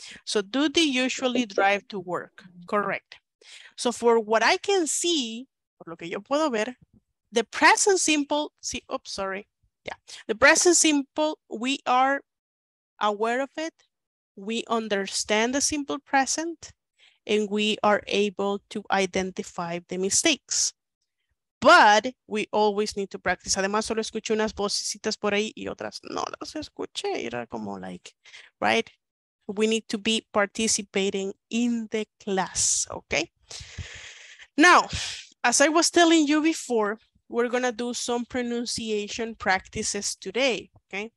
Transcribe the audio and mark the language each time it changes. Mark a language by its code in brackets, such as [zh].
[en] So do they usually drive to work? Correct. So for what I can see, [es] por lo que yo puedo ver, [en] the present simple, see, oops, sorry. Yeah. The present simple, we are aware of it, we understand the simple present and we are able to identify the mistakes. But we always need to practice. [es] Además, solo escuché unas vocecitas por ahí y otras no las escuché. Era como like, right? [en] We need to be participating in the class, okay? Now, as I was telling you before, we're gonna do some pronunciation practices today, okay?